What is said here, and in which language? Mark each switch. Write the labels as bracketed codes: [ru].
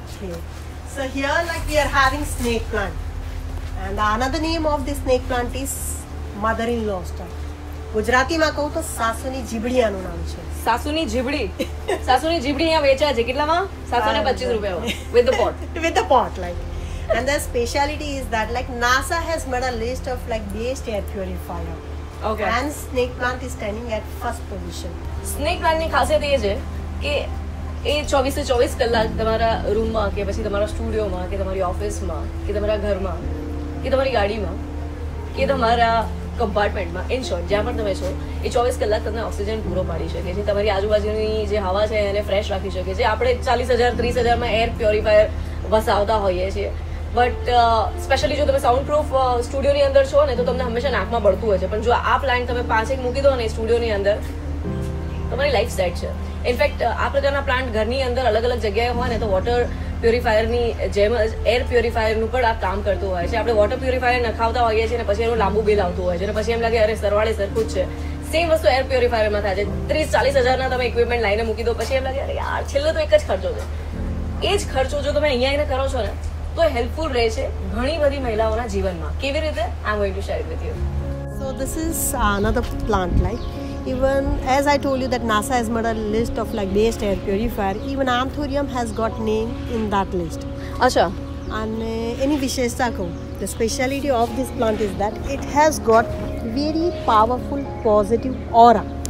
[en] So here like we are having snake plant, and another name of the snake plant is mother in law star. [gu] ગુજરાતીમાં કહું તો સાસુની જીબડીયાનું નામ છે. સાસુની જીબડી? સાસુની જીબડી અહીંયા વેચાય છે. કેટલામાં? [en] 725 રૂપિયા with the pot. With the pot like. And the speciality is that like NASA has made a list of like best air purifier. Okay. And snake plant is standing at first position. [gu] Snake plant ની ખાસિયત એ છે કે એ 24 કલાક તમારા રૂમમાં કે પછી તમારા સ્ટુડિયોમાં કે તમારી ઓફિસમાં કે તમારા ઘરમાં કે તમારી ગાડીમાં કે તમારા કમ્પાર્ટમેન્ટમાં, ઇન શોર્ટ જ્યાં પણ તમે છો, એ 24 કલાક તમને ઓક્સિજન પૂરો પાડી શકે છે. તમારી આજુબાજુની જે હવા છે એને ફ્રેશ રાખી શકે છે. આપણે 40,000-30,000 એર પ્યોરિફાયર વસાવતા હોઈએ છીએ, બટ સ્પેશિયલી જો તમે સાઉન્ડ પ્રૂફ સ્ટુડિયોની અંદર છો ને તો તમને હંમેશા નાકમાં બળતું હોય છે, પણ જો આ પ્લાન્ટ તમે પાસે મૂકી દો ને સ્ટુડિયોની અંદર, તમારી લાઈફ સેટ છે. ઇનફેક્ટ આ પ્રકારના પ્લાન્ટ ઘરની અંદર અલગ અલગ જગ્યાએ હોય ને તો વોટર પ્યોરિફાયરની જેમ જ એર પ્યોરિફાયરનું પણ આ કામ કરતું હોય છે. આપણે વોટર પ્યોરિફાયર નખાવતા હોઈએ છીએ ને પછી એનું લાંબુ બિલ આવતું હોય છે, અને પછી એમ લાગે અરે સરવાળે સરખું જ છે. સેમ વસ્તુ એર પ્યોરિફાયરમાં થાય છે. 30,000-40,000 તમે ઇક્વિપમેન્ટ લાઈને મૂકી દો, પછી એમ લાગે અરે યાર છેલ્લો તો એક જ ખર્ચો છે. એ જ ખર્ચો જો તમે અહીંયા એને કરો છો ને તો હેલ્પફુલ રહે છે ઘણી બધી મહિલાઓના જીવનમાં. કેવી રીતે? [en] I am going to share it with you. So this is another plant like. Even as I told you that NASA has made a list of like best air purifier, even Anthurium has got name in that list. [hi] Acha. [en] And any vishesha ko, the speciality of this plant is that it has got very powerful positive aura.